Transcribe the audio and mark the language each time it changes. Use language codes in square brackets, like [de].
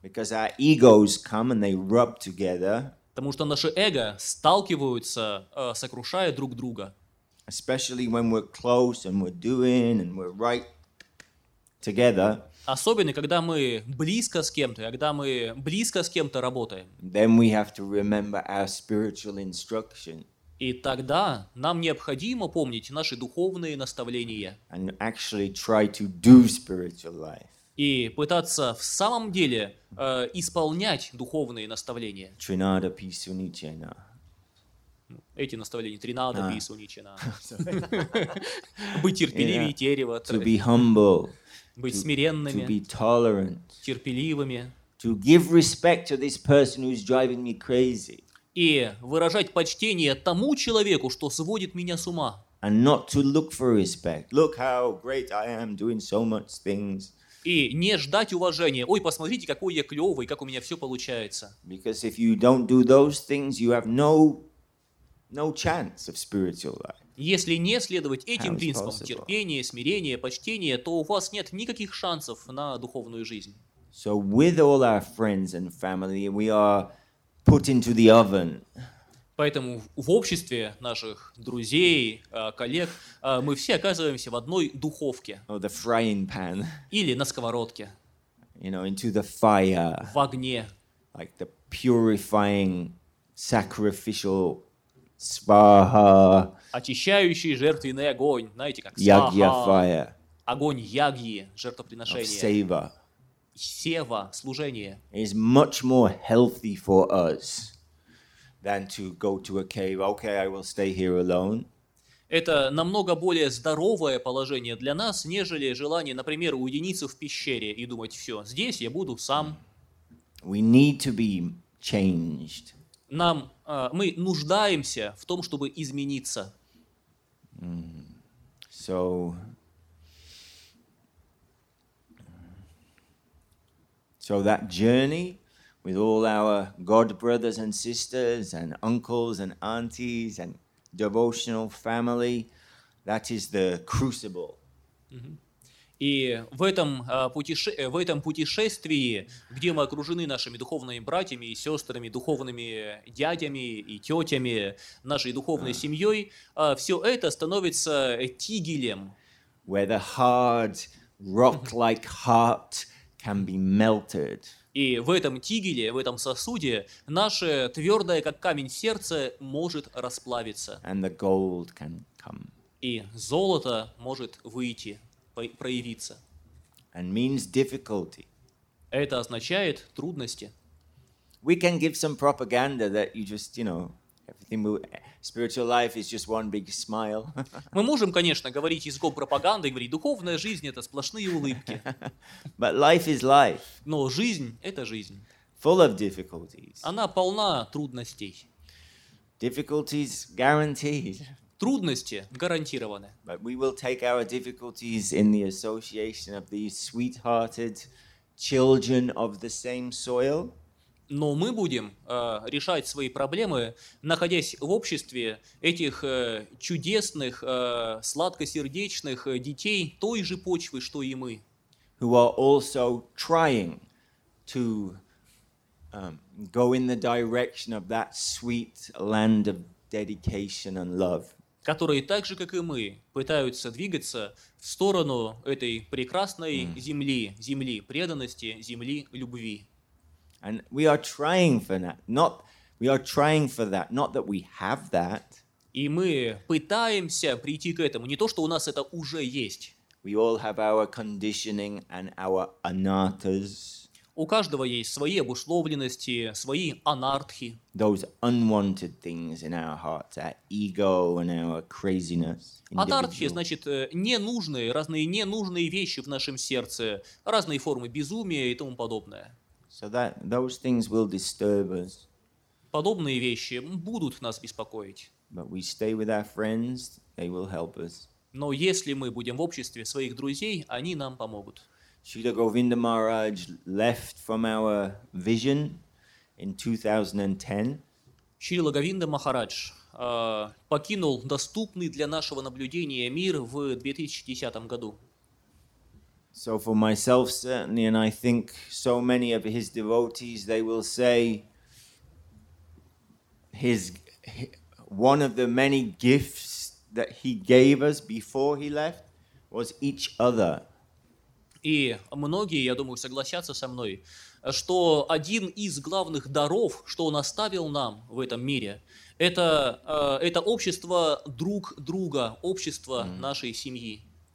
[en] Because our egos come and they rub together. [ru] Потому что наши эго сталкиваются, сокрушая друг друга. [en] Especially when we're close and we're doing and we're right together. [ru] Особенно, когда мы близко с кем-то, когда мы близко с кем-то работаем. [en] Then we have to remember our spiritual instruction. [ru] И тогда нам необходимо помнить наши духовные наставления. [en] And actually try to do spiritual life. [ru] И пытаться в самом деле исполнять духовные наставления. [sa] Тринада Пису Ничена. [ru] Эти наставления. [sa] Тринада Пису Ничена. [ru] Быть терпеливее дерева. [en] To be humble. [ru] Быть смиренными. [en] To be tolerant. [ru] Терпеливыми. [en] To give respect to this person who is driving me crazy. [ru] И выражать почтение тому человеку, что сводит меня с ума. [en] And not to look for respect. Look how great I am doing so much things. [ru] И не ждать уважения. Ой, посмотрите, какой я клевый, как у меня все получается. [en] Because if you don't do those things, you have no chance of spiritual life. [ru] Если не следовать этим принципам терпения, смирения, почтения, то у вас нет никаких шансов на духовную жизнь. [en] So with all our friends and family, we are put into the oven. [ru] Поэтому в обществе наших друзей, коллег, мы все оказываемся в одной духовке. [en] Or the frying pan. [ru] Или на сковородке. [en] You know, into the fire. [ru] В огне. [en] Like the purifying sacrificial svaha. [ru] Очищающий жертвенный огонь. Знаете, как [en] svaha. Ягья fire. [ru] Огонь ягьи, жертвоприношение. [en] Of seva. [ru] Сева, служение. [en] Is much more healthy for us than to go to a cave. Okay, I will stay here alone. [ru] Это намного более здоровое положение для нас, нежели желание, например, уединиться в пещере и думать, все, здесь я буду сам. [en] We need to be changed. [ru] Нам, мы нуждаемся в том, чтобы измениться. [en] So that journey with all our god brothers and sisters and uncles and aunties and devotional family, that is the crucible. [ru] И в этом путешествии, где мы окружены нашими духовными братьями и сестрами, духовными дядями и тетями, нашей духовной семьей, все это становится тигелем. [en] Where the hard rock-like heart can be melted. [ru] И в этом тигеле, в этом сосуде, наше твердое, как камень, сердце может расплавиться. [en] And the gold can come. [ru] И золото может выйти, проявиться. [en] And means difficulty. [ru] Это означает трудности. [en] We can give some propaganda that you just, you know, everything will, spiritual life is just one big smile. [ru] Мы можем, конечно, говорить языком пропаганды и говорить, духовная жизнь — это сплошные улыбки. [en] But life is life. [ru] Но жизнь — это жизнь. [en] Full of difficulties. [ru] Она полна трудностей. [en] Difficulties guaranteed. [ru] Трудности гарантированы. [en] But we will take our difficulties in the association of these sweet-hearted children of the same soil. [ru] Но мы будем решать свои проблемы, находясь в обществе этих чудесных, сладкосердечных детей той же почвы, что и мы. [en] Who are also trying to go in the direction of that sweet land of dedication and love. [ru] Которые так же, как и мы, пытаются двигаться в сторону этой прекрасной земли, земли преданности, земли любви. [en] And we are trying for that, not we are trying for that, not that we have that. [ru] И мы пытаемся прийти к этому. Не то, что у нас это уже есть. [en] We all have our conditioning and our anarthas. [ru] У каждого есть свои обусловленности, свои анартхи. [en] Those unwanted things in our hearts, our ego and our craziness. [ru] Анартхи, значит, ненужные, разные ненужные вещи в нашем сердце, разные формы безумия и тому подобное. [en] So that those things will disturb us. [ru] Подобные вещи будут нас беспокоить. [en] But we stay with our friends, they will help us. [ru] Но если мы будем в обществе своих друзей, они нам помогут. [en] Srila Govinda Maharaj left from our vision in 2010. [ru] Srila Govinda Maharaj покинул доступный для нашего наблюдения мир в 2010 году. [en] So for myself certainly, and I think so many of his devotees, they will say his one of the many gifts that he gave us before he left was each other. [ru] И многие, я думаю, согласятся со мной, что один из главных даров, что он оставил нам в этом мире, это общество друг друга, общество нашей семьи.